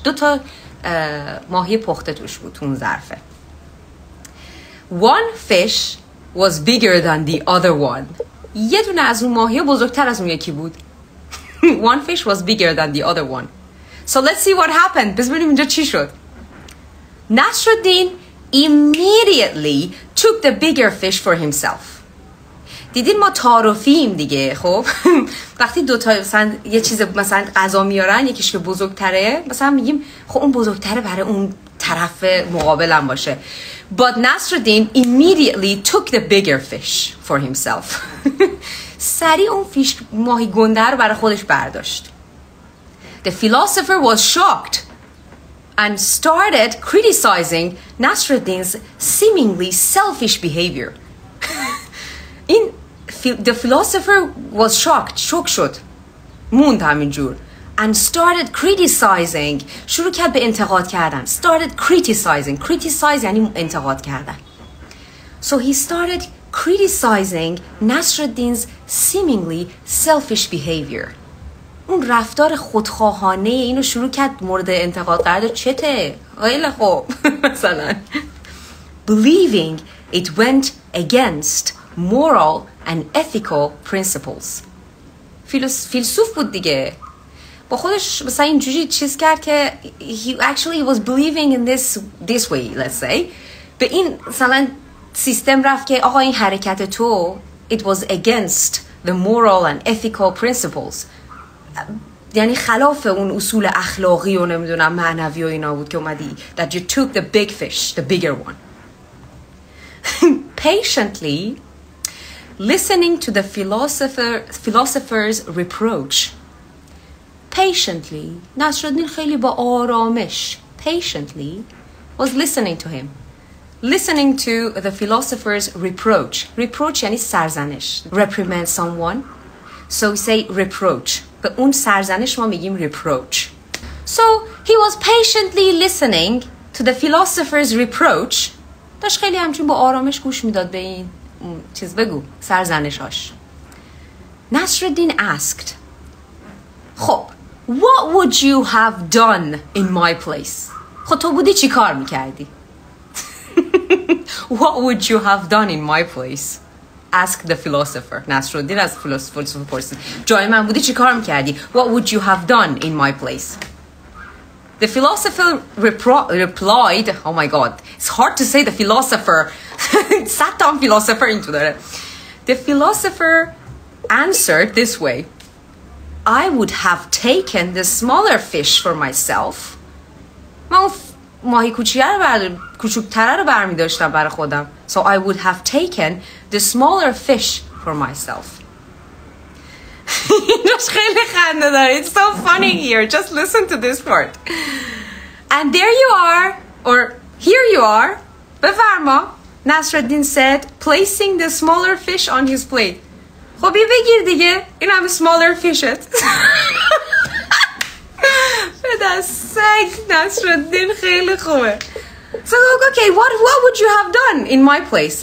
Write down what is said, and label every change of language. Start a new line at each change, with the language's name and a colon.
Persian: دوتا ماهی پخته توش بود, اون ظرفه.
English: One fish was bigger than the other one.
Persian: یه دونه از اون ماهی بزرگتر از اون یکی بود.
English: One fish was bigger than the other one. So let's see what happened.
Persian: پس ببینیم اینجا چی شد.
English: Nasruddin immediately took the bigger fish for himself.
Persian: دیدین ما تعارفیم دیگه, خب وقتی دوتا مثلا یه چیز مثلا غذا میارن, یکیش که بزرگتره, مثلا میگیم خب اون بزرگتره برای اون طرف مقابلم باشه.
English: But Nasruddin immediately took the bigger fish for himself.
Persian: سریع اون فیش ماهی گنده رو برای خودش برداشت.
English: The philosopher was shocked and started criticizing Nasruddin's seemingly selfish behavior.
Persian: این
English: the philosopher was shocked,
Persian: شوک شد, موند همینجور,
English: and started criticizing,
Persian: شروع کرد به انتقاد کردن.
English: Started criticizing, criticize
Persian: یعنی انتقاد کردن.
English: So he started criticizing Nasruddin's seemingly selfish behavior.
Persian: اون رفتار خودخواهانه اینو شروع کرد مورد انتقاد قرار داد. چته؟ خیلی خوب.
English: مثلا believing it went against moral and ethical principles.
Persian: فیلسوف بود دیگه. با خودش مثلا اینجوری چیز کرد که
English: he was believing in this way, let's say.
Persian: به این مثلا سیستم رفت که آقا این حرکت تو
English: it was against the moral and ethical principles,
Persian: یعنی خلاف اون اصول اخلاقی و نمیدونم معنوی و اینا بود که اومدی,
English: that you took the big fish, the bigger one. Patiently listening to the philosopher's reproach, patiently,
Persian: نصرالدین خیلی با آرامش,
English: patiently, was listening to him. Listening to the philosopher's reproach. Reproach
Persian: یعنی سرزنش.
English: Reprimand someone. So we say reproach.
Persian: به اون سرزنش ما میگیم reproach.
English: So he was patiently listening to the philosopher's reproach.
Persian: داشت خیلی همچون با آرامش گوش میداد به این چیز, بگو سرزنش هاش.
English: Nasruddin asked, خب, what would you have done in my place?
Persian: خب تو بودی چی کار میکردی؟
English: What would you have done in my place? Asked the philosopher. Nasruddin asked the philosopher.
Persian: جای من بودی چی کار میکردی?
English: What would you have done in my place? The philosopher replied, oh my god, it's hard to say the philosopher. Sat down philosopher into there. The philosopher answered this way. I would have taken the smaller fish for myself.
Persian: ماهی کوچکتره رو برمی داشتم برای خودم.
English: So I would have taken the smaller fish for myself.
Persian: اینجاش خیلی خنده داره.
English: It's so funny here. Just listen to this part. And there you are, or here you are, بفرما, Nasruddin said, placing the smaller fish on his plate.
Persian: خب این بگیر دیگه. این هم
English: smaller fish
Persian: ت. دست سگ نصرالدین خیلی خوبه.
English: So okay, what would you have done in my place?